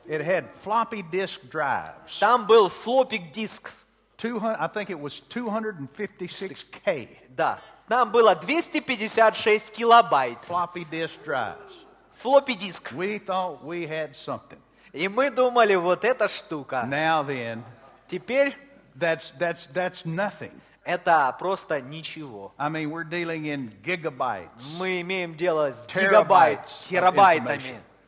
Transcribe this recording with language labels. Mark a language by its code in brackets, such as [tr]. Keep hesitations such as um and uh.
[en] It had floppy disk drives. [ru] Там был флоппи диск. [en] I think it was 256K. Да. [ru] Там было 256 килобайт. [en] Floppy disk drives [ru] флоппи диск. [en] We thought we had something. [ru] И мы думали, вот эта штука. [en] Now then, [ru] Теперь [en] that's, that's, that's nothing. [ru] это просто ничего. [en] I mean, we're dealing in gigabytes, [ru] мы имеем дело с гигабайт, терабайтами.